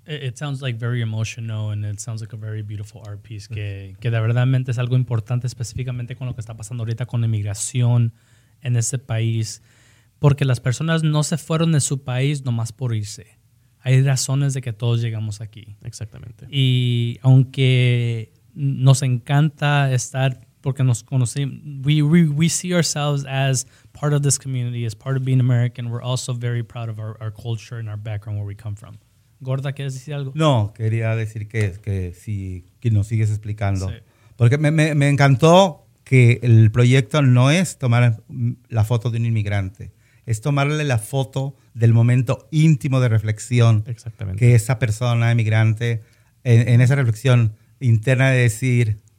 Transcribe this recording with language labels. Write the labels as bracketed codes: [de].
[en] It sounds like very emotional and it sounds like a very beautiful art piece, [es] que de verdad es algo importante, específicamente con lo que está pasando ahorita con la inmigración en ese país, porque las personas no se fueron de su país nomás por irse. Hay razones de que todos llegamos aquí. Exactamente. Y aunque nos encanta estar, porque nos conocemos, [en] we see ourselves as part of this community, as part of being American, we're also very proud of our culture and our background, where we come from. [es] Gorda, ¿quieres decir algo? No, quería decir que nos sigues explicando. Sí. Porque me encantó que el proyecto no es tomar la foto de un inmigrante, es tomarle la foto del momento íntimo de reflexión. Exactamente. Que esa persona inmigrante, en esa reflexión interna de decir,